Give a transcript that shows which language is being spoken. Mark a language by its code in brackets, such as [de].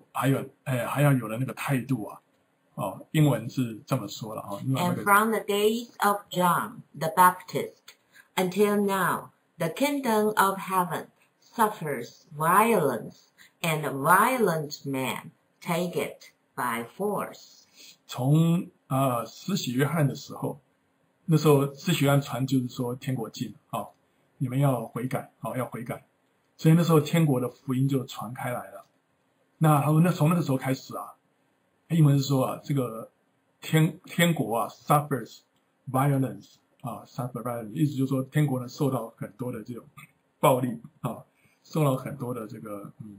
[zh] 还要有了那个态度啊，哦，英文是这么说了啊。 [en] And from the days of John the Baptist until now, the kingdom of heaven suffers violence, and a violent man take it by force. [zh] 从施洗约翰的时候。那时候施洗约翰传就是说天国近啊，你们要悔改啊，要悔改。所以那时候天国的福音就传开来了。那他说，那从那个时候开始啊，英文是说啊，这个天国啊 [en] suffers violence [zh] 啊 ， [en] suffer violence， [zh] 意思就是说天国呢受到很多的这种暴力啊，受到很多的这个